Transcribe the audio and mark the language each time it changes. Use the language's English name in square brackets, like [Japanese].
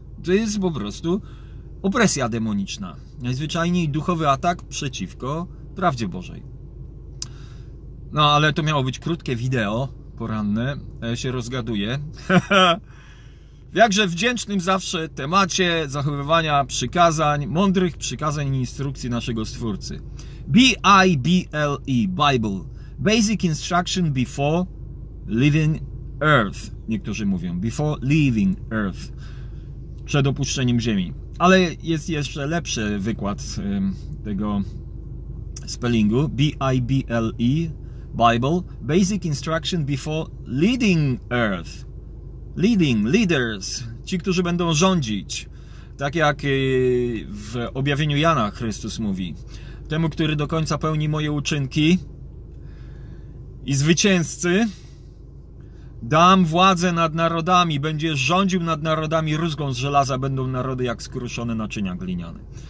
[Polish] To jest po prostu opresja demoniczna. Najzwyczajniej duchowy atak przeciwko prawdzie Bożej. No, ale to miało być krótkie wideo poranne. Się rozgaduję. W jakże wdzięcznym zawsze temacie zachowywania przykazań, mądrych przykazań i instrukcji naszego Stwórcy. [English] B-I-B-L-E, Bible. Basic instruction before leaving earth. [Polish] Niektórzy mówią, [English] before leaving earth. [Polish] Przed opuszczeniem ziemi. Ale jest jeszcze lepszy wykład tego spellingu. [English] B-I-B-L-E, Bible. Basic instruction before leading earth. Leading, leaders. [Polish] Ci, którzy będą rządzić. Tak jak w objawieniu Jana Chrystus mówi. Temu, który do końca pełni moje uczynki i zwycięzcy, dam władzę nad narodami, będzie rządził nad narodami rózgą z żelaza, będą narody jak skruszone naczynia gliniane.